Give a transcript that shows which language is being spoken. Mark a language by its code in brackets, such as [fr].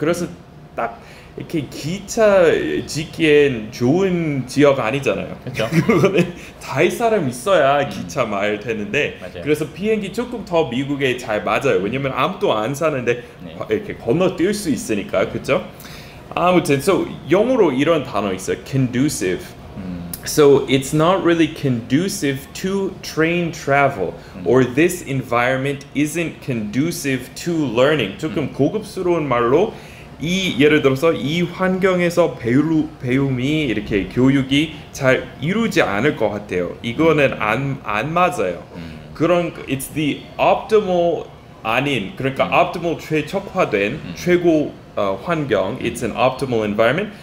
[ko] 그래서 딱 이렇게 기차 짓기엔 좋은 지역 아니잖아요. 그렇죠. 달 사람 있어야 기차 말 되는데 맞아요. 그래서 비행기 조금 더 미국에 잘 맞아요. 왜냐면 아무도 안 사는데 이렇게 건너뛸 수 있으니까. 그렇죠? 아무튼 so 영어로 이런 단어 있어요. [en] conducive. So it's not really conducive to train travel or this environment isn't conducive to learning. [ko] 조금 고급스러운 말로 이 예를 들어서 이 환경에서 배움이 이렇게 교육이 잘 이루지 않을 것 같아요. 이거는 안 맞아요. 그런 [en] it's the optimal [ko] 아닌 그러니까 optimal 최적화된 최고 환경 [en] it's an optimal environment.